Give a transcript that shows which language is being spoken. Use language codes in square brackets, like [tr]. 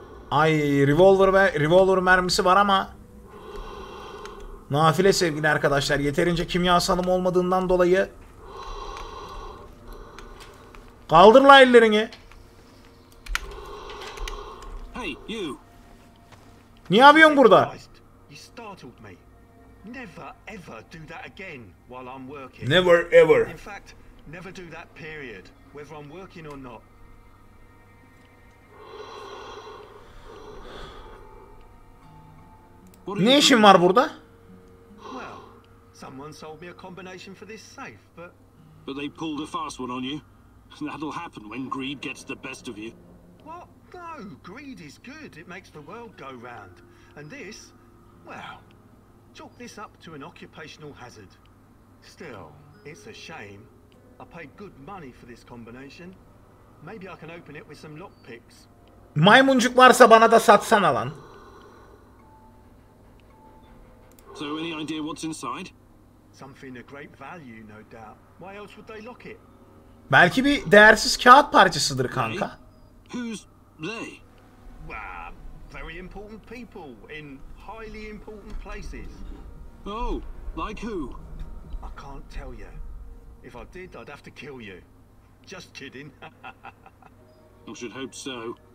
[tr] Ay, revolver mermisi var ama nafile sevgili arkadaşlar, yeterince kimyasalım olmadığından dolayı kaldır la ellerini. [en] Hey, you. [tr] Niye yapıyorsun burada? [en] You startled me. Never ever do that again while I'm working. Never ever. In fact, never do that period, whether I'm working or not. [tr] Ne işin var burada? [en] Well, someone sold me a combination for this safe, but They pulled a fast one on you. That'll happen when greed gets the best of you. What? No, greed is good. It makes the world go round. And this, well, chalk this up to an occupational hazard. Still, it's a shame. I paid good money for this combination. Maybe I can open it with some lockpicks. [tr] Maymuncuk varsa bana da satsana lan. [en] So any idea what's inside? Something of great value, no doubt. Why else would they lock it? [tr] Belki bir değersiz kağıt parçasıdır kanka. [en] Who's they? Well, very important people in highly important places. Oh, like who? I can't tell you. If I did, I'd have to kill you. Just kidding. I should hope so.